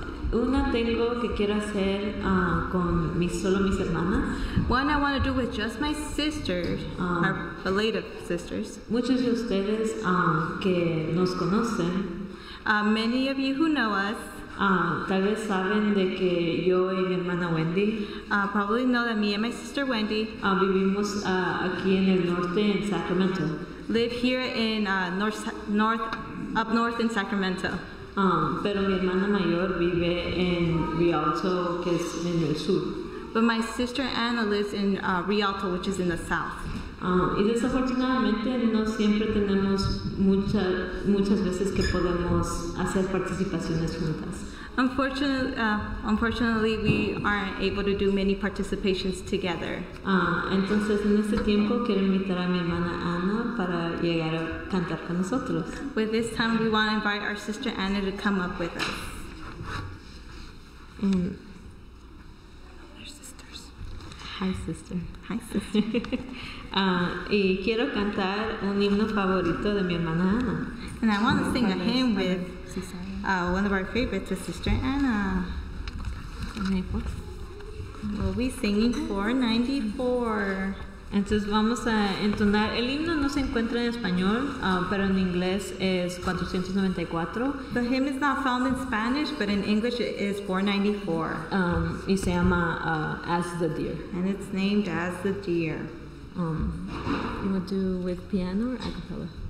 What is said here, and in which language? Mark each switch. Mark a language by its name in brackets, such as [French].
[Spanish] Una tengo que quiero hacer con solo mis hermanas. [English] One I want to do with just my sisters, our related sisters. [Spanish] Muchos de ustedes que nos conocen. [English] Many of you who know us. [Spanish] Tal vez saben de que yo y mi hermana Wendy. [English] Probably know that me and my sister Wendy. [Spanish] Vivimos aquí en el norte en Sacramento. [English] Live here in up north in Sacramento. [Spanish] Pero mi hermana mayor vive en Rialto, que es en el sur. [English] But my sister Anna lives in Rialto, which is in the south. [Spanish] Y desafortunadamente no siempre tenemos muchas veces que podemos hacer participaciones juntas. [English] Unfortunately, we aren't able to do many participations together. [Spanish] Entonces en este tiempo quiero invitar a mi hermana Anna para llegar a cantar con nosotros. [English] With this time, we want to invite our sister Anna to come up with us. Hi, sister. [Spanish] Y quiero cantar un himno favorito de mi hermana Anna. [English] And I want to sing a hymn with one of our favorites, with Sister Anna. We'll be singing 494. [Spanish] Entonces vamos a entonar. El himno no se encuentra en español, pero en inglés es 494. [English] The hymn is not found in Spanish, but in English it is 494. [Spanish] Y se llama As the Deer. [English] And it's named As the Deer. You want to do with piano or a cappella?